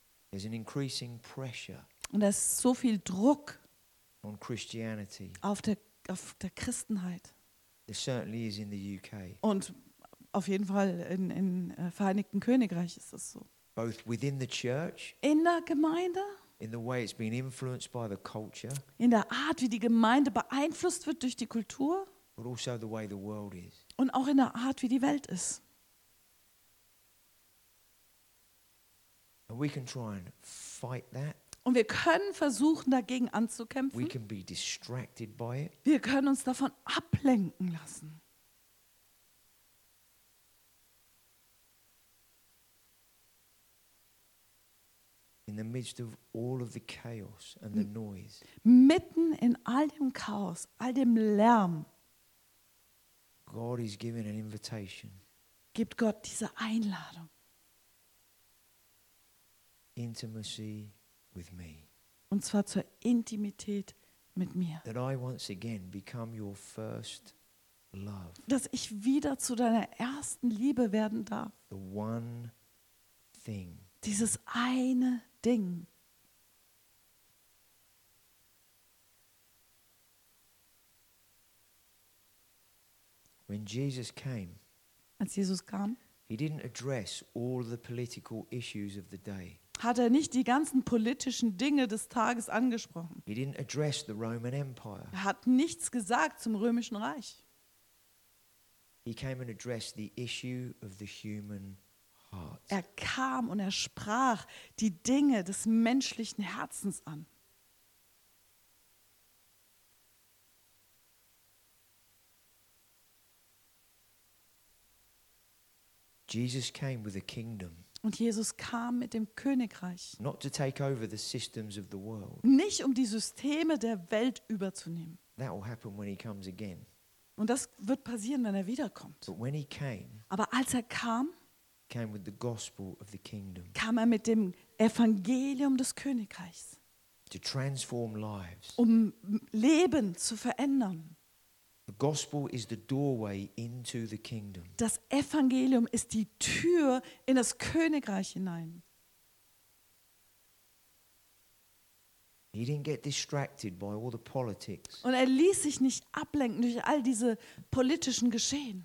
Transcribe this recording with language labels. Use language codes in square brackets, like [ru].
[en] There's an increasing pressure. [de] Und da ist so viel Druck. [en] On Christianity. [de] Auf der Christenheit. [en] There certainly is in the UK. [de] Und auf jeden Fall in Vereinigten Königreich ist das so. [en] Both within the church, [de] in der Gemeinde, [en] in the way it's been influenced by the culture, [de] in der Art, wie die Gemeinde beeinflusst wird durch die Kultur, [en] but also the way the world is, [de] und auch in der Art, wie die Welt ist. [en] And we can try and fight that. [de] Und wir können versuchen, dagegen anzukämpfen. [en] We can be distracted by it. [de] Wir können uns davon ablenken lassen. [en] In the midst of all of the chaos and the noise. [de] Mitten in all dem Chaos, all dem Lärm. [en] God is giving an invitation. [de] Gibt Gott diese Einladung. [en] Intimacy with me. [de] Und zwar zur Intimität mit mir. [en] That I once again become your first love. [de] Dass ich wieder zu deiner ersten Liebe werden darf. [en] The one thing. [de] Dieses eine Ding. [en] When Jesus came, [de] als Jesus kam, [en] he didn't address all the political issues of the day. [de] Hat er nicht die ganzen politischen Dinge des Tages angesprochen? [en] He didn't address the Roman Empire. [de] Er hat nichts gesagt zum Römischen Reich. [en] He came and addressed the issue of the human heart. [de] Er kam und er sprach die Dinge des menschlichen Herzens an. [en] Jesus came with a kingdom. [de] Und Jesus kam mit dem Königreich. [en] Not to take over the systems of the world. [de] Nicht um die Systeme der Welt überzunehmen. [en] That will happen when he comes again. [de] Und das wird passieren, wenn er wiederkommt. [en] But when he came, [de] aber als er kam, [en] came with the gospel of the kingdom, [de] kam er mit dem Evangelium des Königreichs, [en] to transform lives, [de] um Leben zu verändern. [en] The gospel is the doorway into the kingdom. [de] Das Evangelium ist die Tür in das Königreich hinein. [en] He didn't get distracted by all the politics, [de] und er ließ sich nicht ablenken durch all diese politischen Geschehen,